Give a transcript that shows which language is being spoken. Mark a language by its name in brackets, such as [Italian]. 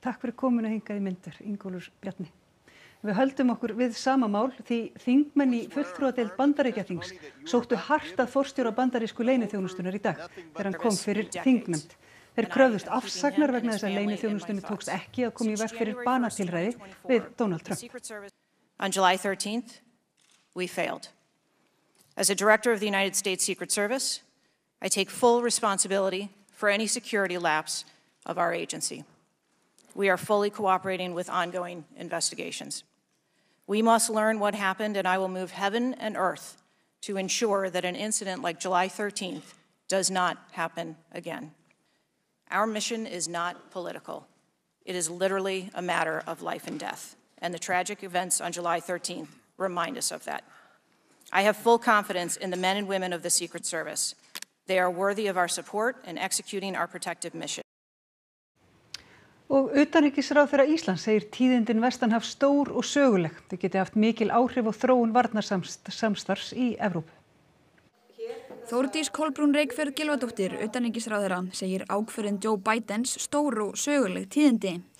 [Icelandic] Takk fyrir kominu hingað í myndir, Ingólfur Bjarni. Við höldum okkur við sama mál því þingmenn í fulltrúadeild Bandaríkjaþings sóttu hart að forstjóra bandarísku leyniþjónustunnar í dag þegar hann kom fyrir þingnefnd. Þeir kröfðust afsagnar vegna þess að leyniþjónustunni tókst ekki að koma í veg fyrir banatilræði við Donald Trump. [English] On July 13th, we failed. As a director of the United States Secret Service, I take full responsibility for any security lapse of our agency. We are fully cooperating with ongoing investigations. We must learn what happened, and I will move heaven and earth to ensure that an incident like July 13th does not happen again. Our mission is not political. It is literally a matter of life and death. And the tragic events on July 13th remind us of that. I have full confidence in the men and women of the Secret Service. They are worthy of our support in executing our protective mission. [Icelandic] Og utanríkisráðherra Íslands segir tíðindin vestanhaf stór og söguleg. Þau geti haft mikil áhrif á þróun varnarsamstarfs í Evrópu. Þórdís Kolbrún Reykfjörð Gylfadóttir, utanríkisráðherra, segir ákvörðun Joe Bidens stór og söguleg tíðindi.